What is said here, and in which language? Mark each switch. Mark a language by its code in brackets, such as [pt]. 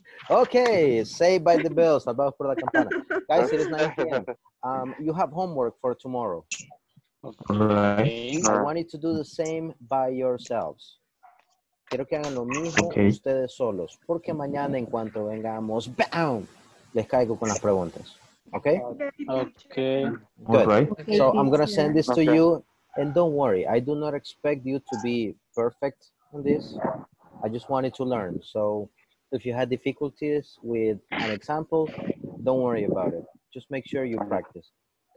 [en] Okay, saved by the bell, [es] salvados por la campana. [en] Guys, it is 9 p.m. You have homework for tomorrow. Right. I want you to do the same by yourselves. [es] Quiero que hagan lo mismo ustedes solos, porque mañana en cuanto vengamos, ¡bam!, les caigo con las preguntas. [en] Okay? Okay. Good. Okay. So I'm going to send this to you. And don't worry, I do not expect you to be perfect in this. I just wanted to learn. So if you had difficulties with an example, don't worry about it. Just make sure you practice. Ok?